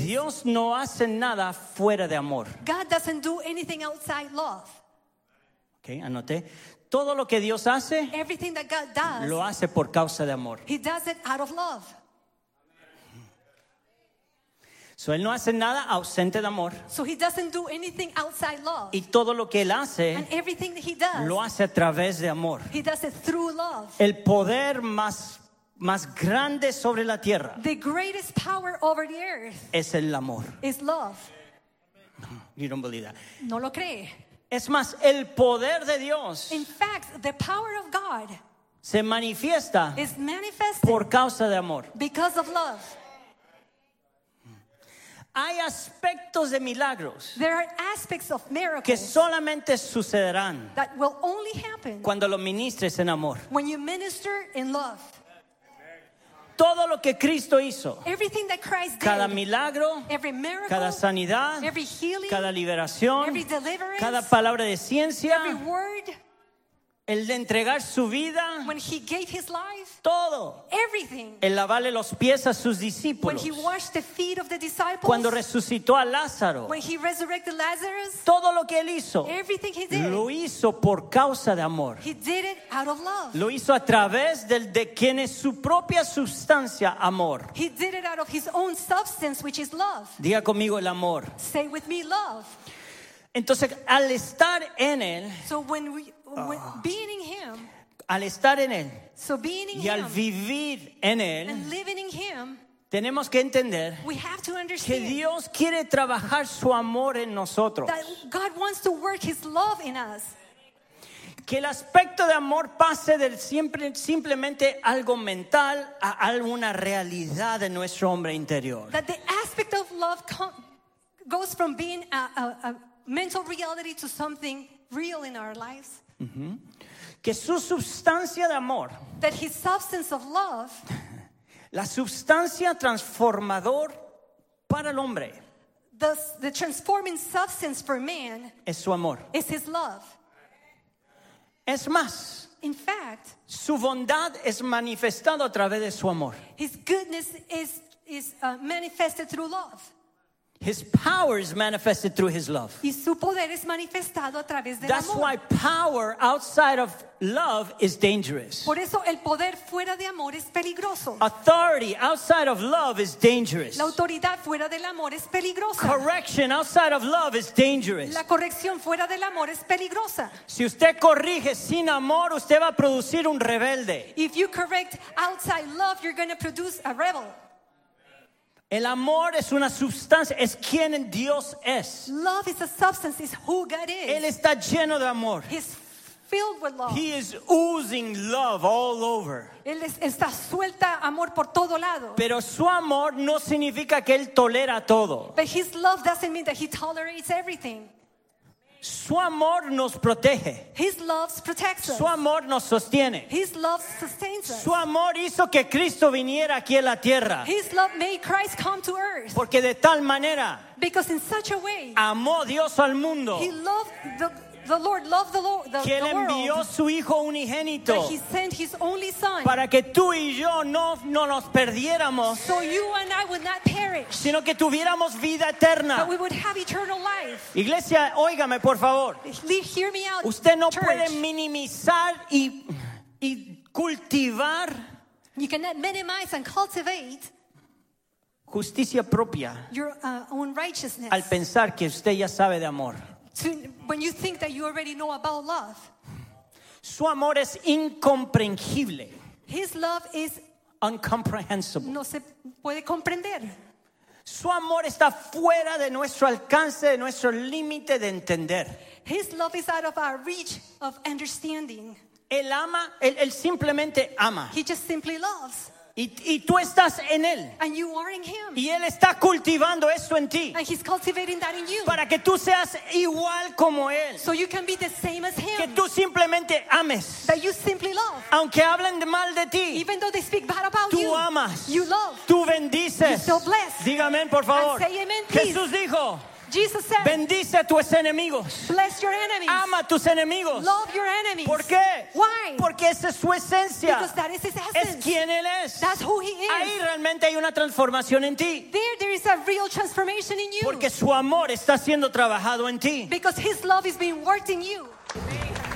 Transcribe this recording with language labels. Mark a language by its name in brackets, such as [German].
[Spanish] Dios no hace nada fuera de amor. [English] God doesn't do anything outside love. [Spanish] Okay, anoté. Todo lo que Dios hace, [English] everything that God does, [Spanish] lo hace por causa de amor. [English] He does it out of love. [Spanish] So él no hace nada ausente de amor. [English] So he doesn't do anything outside love. [Spanish] Y todo lo que él hace, [English] and everything that he does, [Spanish] lo hace a través de amor. [English] He does it through love. [Spanish] El poder más grande sobre la tierra, [English] the greatest power over the earth, [Spanish] es el amor. [English] Is love. You don't believe that. [Spanish] No lo cree. Es más, el poder de Dios, [English] in fact, the power of God, [Spanish] se manifiesta, [English] is manifested, [Spanish] por causa de amor, [English] because of love. [Spanish] Hay aspectos de milagros, [English] there are aspects of miracles, [Spanish] que solamente sucederán, [English] that will only happen, [Spanish] cuando lo ministres en amor, [English] when you minister in love. [Spanish] Todo lo que Cristo hizo, [English] everything that Christ did, [Spanish] cada milagro, [English] every miracle, [Spanish] cada sanidad, [English] every healing, [Spanish] cada liberación, [English] every deliverance, [Spanish] cada palabra de ciencia, [English] every word, [Spanish] el de entregar su vida, [English] when he gave his life, [Spanish] todo, [English] everything, [Spanish] el lavarle los pies a sus discípulos, [English] when he washed the feet of the disciples, [Spanish] cuando resucitó a Lázaro, [English] when he resurrected Lazarus, [Spanish] todo lo que él hizo, [English] everything he did, [Spanish] lo hizo por causa de amor. [English] He did it out of love. [Spanish] Lo hizo a través del de quien es su propia sustancia, amor. [English] He did it out of his own substance, which is love. [Spanish] Diga conmigo el amor. [English] Say with me, love. [Spanish] Entonces, al estar en él, [English] so when we, with being in him, [Spanish] al estar en él, [English] so being in [Spanish] y al vivir en él, [English] and living in him, [Spanish] tenemos que entender, [English] we have to understand, [Spanish] que Dios quiere trabajar su amor en nosotros, [English] that God wants to work his love in us, [Spanish] que el aspecto de amor pase del simplemente algo mental a alguna realidad de nuestro hombre interior, [English] that the aspect of love goes from being a mental reality to something real in our lives. [Spanish] Que su sustancia de amor, [English] that his substance of love, [Spanish] la sustancia transformador para el hombre, [English] the transforming substance for man, [Spanish] es su amor, [English] is his love. [Spanish] Es más, [English] in fact, [Spanish] su bondad es manifestado a través de su amor, [English] his goodness is manifested through love. His power is manifested through his love. [Spanish] Y su poder es manifestado a través del [English] That's [Spanish] amor. [English] Why power outside of love is dangerous. [Spanish] Por eso el poder fuera de amor es peligroso. [English] Authority outside of love is dangerous. [Spanish] La autoridad fuera del amor es peligrosa. [English] Correction outside of love is dangerous. [Spanish] La corrección fuera del amor es peligrosa. Si usted corrige sin amor, usted va a producir un rebelde. [English] If you correct outside love, you're going to produce a rebel. [Spanish] El amor es una sustancia, es quien Dios es. [English] Love is a substance, is who God is. [Spanish] Él está lleno de amor. [English] He's filled with love. He is oozing love all over. [Spanish] Él está suelta amor por todo lado. Pero su amor no significa que él tolera todo. [English] But his love doesn't mean that he tolerates everything. [Spanish] Su amor nos protege. [English] His love protects us. [Spanish] Su amor nos sostiene. [English] His love sustains us. [Spanish] Su amor hizo que Cristo viniera aquí a la tierra. [English] His love made Christ come to earth. [Spanish] Porque de tal manera, [English] because in such a way, [Spanish] amó Dios al mundo. [English] He loved the Lord loved the world. [Spanish] Que él envió su hijo unigénito. [English] That he sent his only son. [Spanish] Para que tú y yo no nos perdiéramos. [English] So you and I would not perish. [Spanish] Sino que tuviéramos vida eterna. [English] But we would have eternal life. [Spanish] Iglesia, óigame, por favor. [English] Hear me out. [Spanish] Usted no [English] church. [Spanish] Puede minimizar y cultivar. [English] You cannot minimize and cultivate. [Spanish] Justicia propia. [English] Your own righteousness. [Spanish] Al pensar que usted ya sabe de amor. [English] When you think that you already know about love, [Spanish] su amor es incomprensible. [English] His love is incomprehensible. [Spanish] No se puede comprender. Su amor está fuera de nuestro alcance, de nuestro límite de entender. [English] His love is out of our reach of understanding. [Spanish] Él ama, él simplemente ama. [English] He just simply loves. [Spanish] Y tú estás en él. [English] And you are in him. [Spanish] Y él está cultivando eso en ti. [English] And he's cultivating that in you. [Spanish] Para que tú seas igual como él. [English] So you can be the same as him. [Spanish] Que tú simplemente ames. [English] That you simply love. [Spanish] Aunque hablen mal de ti. [English] Even though they speak bad about [Spanish] tú [English] you. [Spanish] Tú amas. [English] You love. [Spanish] Tú bendices. [English] You're still blessed. [Spanish] Dígame, por favor. [English] And say amen, please. [Spanish] Jesús dijo. [English] Jesus said, [Spanish] bendice a tus enemigos. [English] Bless your enemies. [Spanish] Ama a tus enemigos. [English] Love your enemies. [Spanish] ¿Por qué? [English] Why? [Spanish] Porque esa es su esencia. [English] Because that is his essence. [Spanish] Es quien él es. [English] That's who he is. [Spanish] Ahí realmente hay una transformación en ti. [English] There is a real transformation in you. [Spanish] Porque su amor está siendo trabajado en ti. [English] Because his love is being worked in you. Amen.